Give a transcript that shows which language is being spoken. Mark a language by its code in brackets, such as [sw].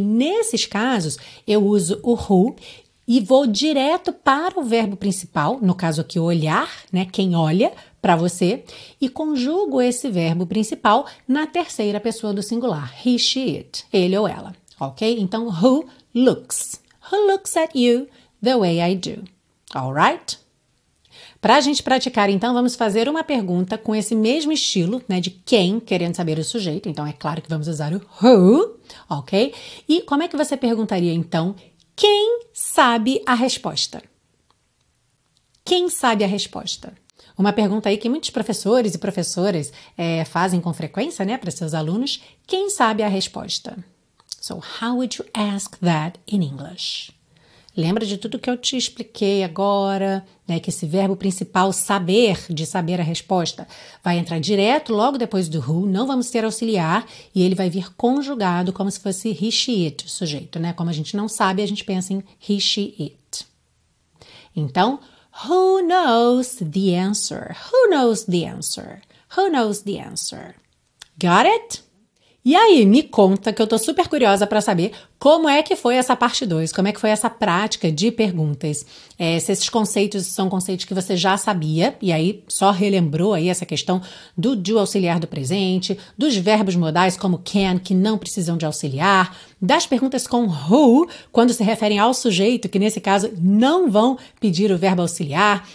[pt] Nesses casos, eu uso o who e vou direto para o verbo principal, no caso aqui, olhar, né? Quem olha para você, e conjugo esse verbo principal na terceira pessoa do singular, he, she, it, ele ou ela, ok? Então, [en] who looks at you the way I do. All right? [pt] Para a gente praticar, então, vamos fazer uma pergunta com esse mesmo estilo, né, de quem, querendo saber o sujeito. Então, é claro que vamos usar o who, ok? E como é que você perguntaria, então, quem sabe a resposta? Quem sabe a resposta? Uma pergunta aí que muitos professores e professoras fazem com frequência, né, para seus alunos. Quem sabe a resposta? [en] So, how would you ask that in English? [pt] Lembra de tudo que eu te expliquei agora, né? Que esse verbo principal, saber, de saber a resposta, vai entrar direto logo depois do who, não vamos ter auxiliar, e ele vai vir conjugado como se fosse he, she, it, o sujeito, né? Como a gente não sabe, a gente pensa em he, she, it. Então, [en] who knows the answer? Who knows the answer? Who knows the answer? Got it? [pt] E aí, me conta que eu tô super curiosa para saber como é que foi essa parte 2, como é que foi essa prática de perguntas. Se esses conceitos são conceitos que você já sabia, e aí só relembrou aí essa questão do do auxiliar do presente, dos verbos modais como can, que não precisam de auxiliar, das perguntas com who, quando se referem ao sujeito, que nesse caso não vão pedir o verbo auxiliar.